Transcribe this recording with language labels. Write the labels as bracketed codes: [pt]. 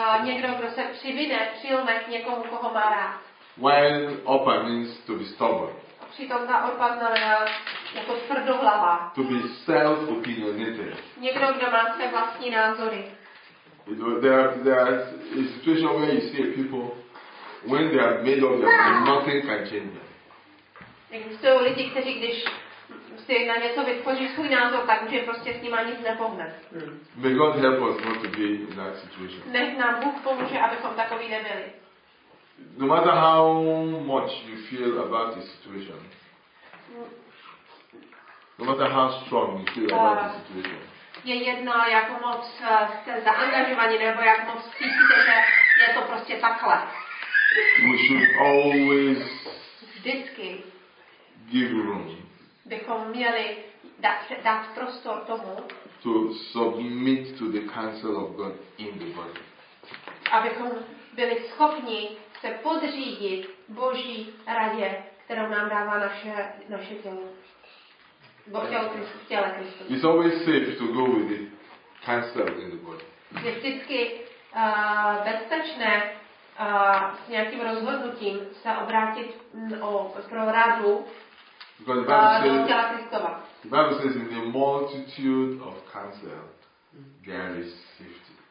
[cs] Někdo, kdo se přivine, přilne k někomu, koho má rád. [en] While Orpha means to be stubborn. [cs] Přitom ta Orpha znamená jako tvrdohlava. [en] To be self-opinionated. [cs] Někdo, kdo má své vlastní názory. [en] There are a situation where you see people, when they are made up, nothing can change them. [cs] Existují lidi, kteří když si na něco vytvoří svůj názor, tak už je prostě s nima nic nepohne. [en] May God help us not to be in that situation. [cs] Nech nám Bůh pomůže, abychom takový nebyli. [en] No matter how much you feel about the situation, no matter how strong you feel about the situation, [cs] je jedno, jak moc jste zaangažovaní, nebo jak moc cítíte, že je to prostě takhle. [en] We should always [cs] vždycky [en] give room. [cs] Bychom měli dát prostor tomu, [en] to submit to the counsel of God in the body. [cs] Abychom byli schopni se podřídit Boží radě, kterou nám dává naše tělo. Bo chtěl Kristus, chtěla Kristus. [en] It's always safe to go with the cancer in the body. [cs] Je vždycky bezpečné s nějakým rozhodnutím se obrátit pro radu do těla Kristova. [en] The Bible says in the multitude of cancer there is safety.